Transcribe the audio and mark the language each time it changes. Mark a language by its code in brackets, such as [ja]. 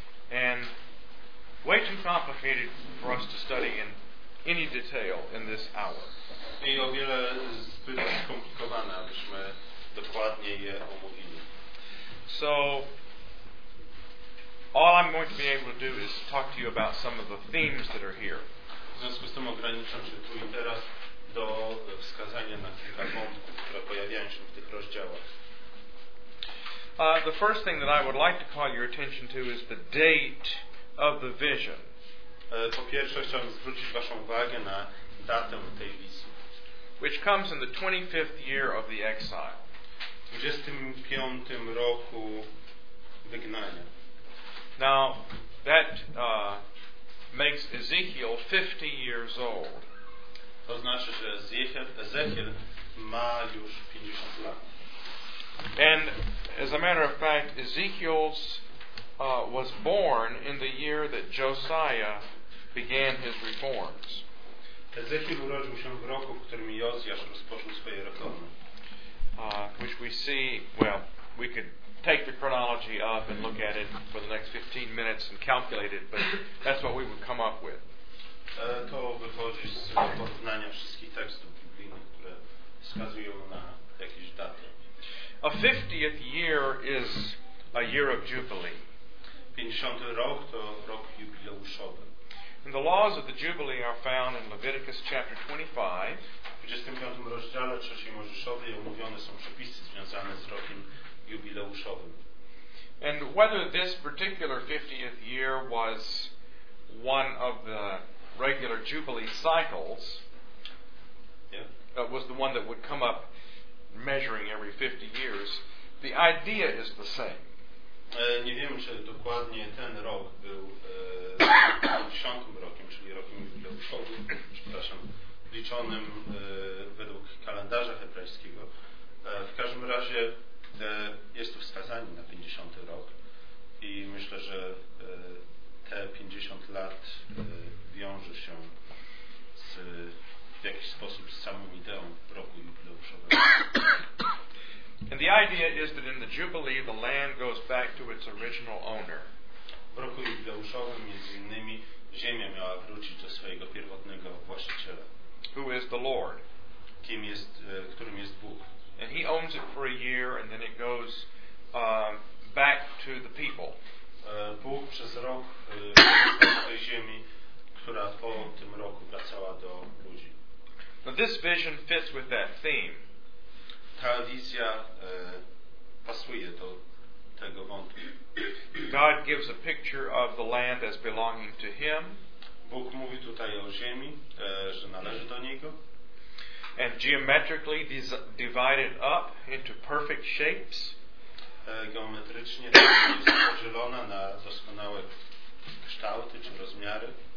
[en] and way too complicated for us to study in any detail in this hour. [pl] I o wiele zbyt skomplikowane, abyśmy dokładnie je omówili. [en] So all I'm going to be able to do is talk to you about some of the themes that are here. [pl] W związku z tym ograniczam się tu i teraz do wskazania na kilka wątków, które pojawiają się w tych rozdziałach. [en] The first thing that I would like to call your attention to is the date of the vision. [pl] Po pierwsze, chciałbym zwrócić waszą uwagę na datę tej wizji, [en] which comes in the 25th year of the exile. [pl] W 25. roku wygnania. [en] Now, that makes Ezekiel 50 years old. [pl] To znaczy, że Ezechiel ma już 50 lat. [en] And as a matter of fact, Ezekiel was born in the year that Josiah began his reforms. [pl] Ezechiel urodził się w roku, w którym Jozjasz rozpoczął swoje reformy. [en] Which we see, well, we could take the chronology up and look at it for the next 15 minutes and calculate it, but that's what we would come up with. [pl] To wychodzi z porównania wszystkich tekstów biblijnych, które wskazują na jakieś daty. [en] A 50th year is a year of jubilee. [pl] 50. rok to rok jubileuszowy. [en] And the laws of the jubilee are found in Leviticus chapter 25. [pl] W 25. rozdziale trzeciej Mojżeszowej omówione są przepisy związane z rokiem jubileuszowym. [en] And whether this particular 50th year was one of the regular jubilee cycles, was the one that would come up measuring every 50 years, the idea is the same. [pl] Nie wiem, czy dokładnie ten rok był 50. rokiem, czyli rokiem jubileuszowym, przepraszam, liczonym według kalendarza hebrajskiego. W każdym razie jest tu wskazanie na 50. rok i myślę, że te 50 lat wiąże się z, w jakiś sposób z samą ideą roku jubileuszowego. [en] And the idea is that in the jubilee the land goes back to its original owner. [pl] W roku jubileuszowym między innymi ziemia miała wrócić do swojego pierwotnego właściciela. [en] Who is the Lord? [pl] Kim jest, którym jest Bóg. [en] And he owns it for a year and then it goes back to the people. [pl] Bóg przez rok tej ziemi, która po tym roku wracała do ludzi. [en] Now this vision fits with that theme. [pl] Ta wizja pasuje do tego wątku. [en] God gives a picture of the land as belonging to him. [pl] Bóg mówi tutaj o ziemi, że należy do niego. [en] And geometrically divided up into perfect shapes. [pl] Geometrycznie jest podzielona na doskonałe kształty czy rozmiary.